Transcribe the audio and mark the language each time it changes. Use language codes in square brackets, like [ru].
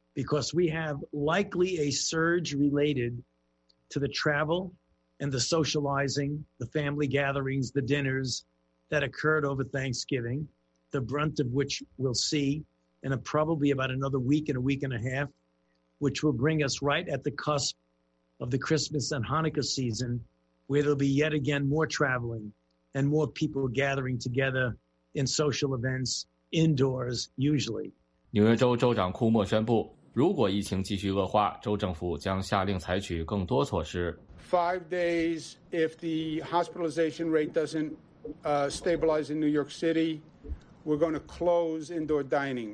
[en] Because we have likely a surge related to the travel and the socializing, the family gatherings, the dinners that occurred over Thanksgiving, the brunt of which we'll see in probably about another week and a week and a half, which will bring us right at the cusp of the Christmas and Hanukkah season, where there'll be yet again more traveling and more people gathering together in social events, indoors usually. [zh] 纽约州州长库莫宣布， 如果疫情继续恶化，州政府将下令采取更多措施。 [en] Five days if the hospitalization rate doesn't stabilize in New York City, we're going to close indoor dining.